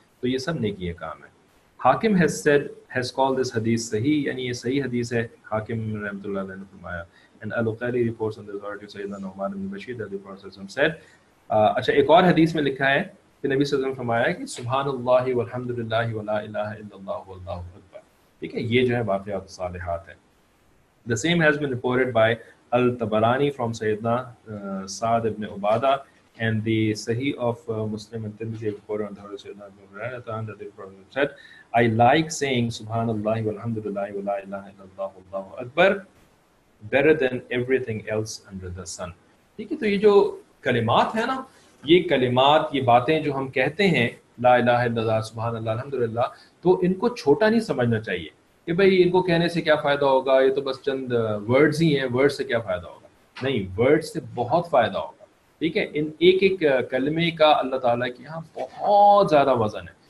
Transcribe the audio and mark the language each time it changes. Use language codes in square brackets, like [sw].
[ur] تو یہ سب نیکی کام ہیں. حاکم [en] has said, has called this [ur] حدیث صحیح, یعنی یہ صحیح حدیث ہے, حاکم رحمۃ اللہ علیہ نے فرمایا. And القیلی [en] reports on the authority of [ur] سیدنا نعمان بن بشیر رضی اللہ عنہ said, اچھا ایک اور حدیث میں لکھا ہے کہ نبی صلی اللہ علیہ وسلم فرمایا کہ [ar] سبحان اللہ والحمدللہ ولا الہ الا اللہ واللہ اکبر, [ur] ٹھیک ہے. یہ جو ہے باقیات صالحات ہیں. [en] The same has been reported by Al-Tabarani from Sayyidina Saad ibn Ubadah, and the Sahih of Muslim and Tirmidhi reported on the Hadith of Sayyidina ibn Hurairah that the Prophet said, I like saying Subhanallah walhamdulillah wa la ilaha illallah wallahu akbar better than everything else under the sun. [ur] ٹھیک ہے, تو یہ جو کلمات ہیں نا, یہ کلمات, یہ باتیں جو ہم کہتے ہیں لا الہ الا اللہ, سبحان اللہ, الحمدللہ, تو ان کو چھوٹا نہیں سمجھنا چاہیے کہ بھائی ان کو کہنے سے کیا فائدہ ہوگا, یہ تو بس چند ورڈز ہی ہیں, ورڈ سے کیا فائدہ ہوگا. نہیں, ورڈ سے بہت فائدہ ہوگا, ٹھیک ہے. ان ایک ایک کلمے کا اللہ تعالیٰ کے یہاں بہت زیادہ وزن ہے.